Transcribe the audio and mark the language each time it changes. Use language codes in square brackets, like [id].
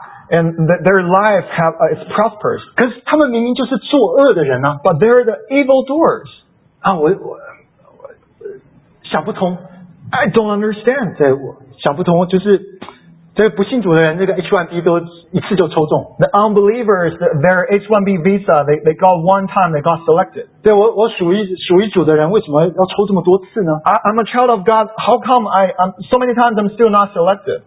[en] And their life is prosperous. [zh] 可是他们明明就是作恶的人啊。 [en] But they're the evildoers. [zh] 啊，我想不通。 [en] I don't understand. [zh] 对，我想不通，就是所以不信主的人，那个 H1B 都一次就抽中。 [en] The unbelievers, their H1B visa, they got one time, they got selected. [zh] 对，我属于主的人，为什么要抽这么多次呢？ [en] I'm a child of God. How come so many times I'm still not selected?